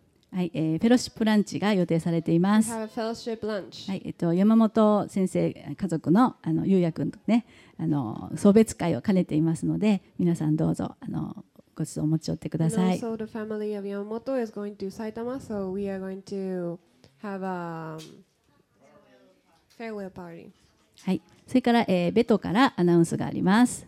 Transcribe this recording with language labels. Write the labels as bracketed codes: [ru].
[ja] はい、フェロシップランチが予定されています。 [en] We have a fellowship lunch. [ja] はい、山本先生家族の優也君とね、送別会を兼ねていますので、皆さんどうぞご馳走を持ち寄ってください。 [en] And also the family of Yamamoto is going to Saitama, so we are going to have a farewell party. [ja] はい、それから、ベトからアナウンスがあります。